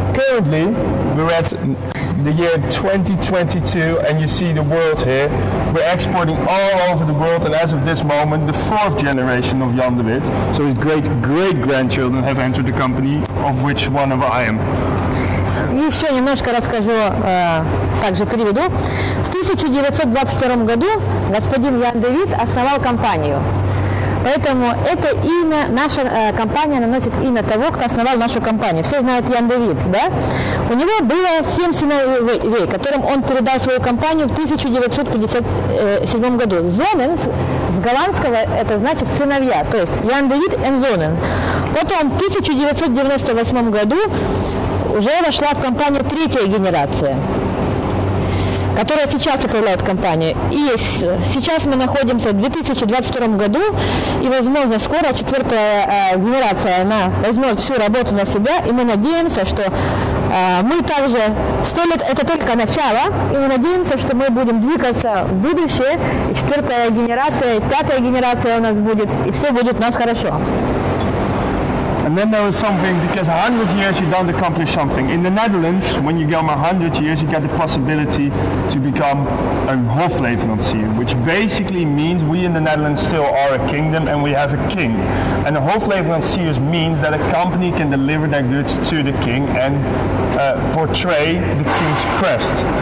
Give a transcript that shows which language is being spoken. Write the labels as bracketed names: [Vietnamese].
[English] Currently, we're at the year 2022, and you see the world here. We're exporting all over the world, and as of this moment, the fourth generation of Jan de Wit, so his great-great-grandchildren have entered the company, of which one of I am. [Russian] Еще немножко расскажу также приведу. В 1922 году господин Jan de Wit основал компанию. Поэтому это имя, наша компания наносит имя того, кто основал нашу компанию. Все знают Jan de Wit, да? У него было 7 сыновей, которым он передал свою компанию в 1957 году. Zonen, с голландского это значит сыновья, то есть Jan de Wit & Zonen. Потом в 1998 году уже вошла в компанию третья генерация, которая сейчас управляет компанией. И сейчас мы находимся в 2022 году, и, возможно, скоро четвертая генерация, она возьмет всю работу на себя, и мы надеемся, что мы также... 100 лет – это только начало, и мы надеемся, что мы будем двигаться в будущее, и четвертая генерация, и пятая генерация у нас будет, и все будет у нас хорошо. [English] And then there was something, because 100 years you don't accomplish something. In the Netherlands, when you become 100 years, you get the possibility to become a hofleverancier, which basically means we in the Netherlands still are a kingdom and we have a king. And a hofleverancier means that a company can deliver their goods to the king and portray the king's crest.